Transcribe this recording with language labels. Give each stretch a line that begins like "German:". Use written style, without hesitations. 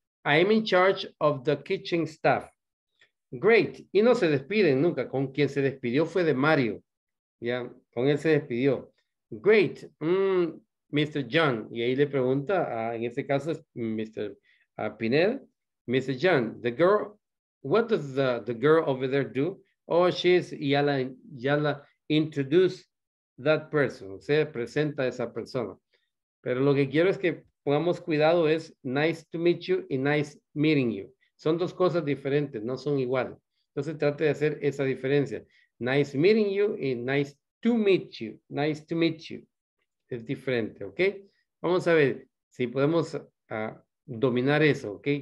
English: I'm in charge of the kitchen staff. Great.
Spanish: Y no se despiden nunca. Con quien se despidió fue de Mario. Ya, con él se despidió.
English: Great. Mr. John.
Spanish: Y ahí le pregunta, en este caso es Mr. Pinel. Mr.
English: John, the girl, what does the girl over there do? Oh, she's,
Spanish: ya la introduce
English: that person.
Spanish: O sea, presenta a esa persona. Pero lo que quiero es que pongamos cuidado es
English: nice to meet you
Spanish: y
English: nice meeting you.
Spanish: Son dos cosas diferentes, no son iguales. Entonces trate de hacer esa diferencia.
English: Nice meeting you y nice to meet you. Nice to meet you.
Spanish: Es diferente,
English: ¿ok?
Spanish: Vamos a ver si podemos dominar eso, ¿ok?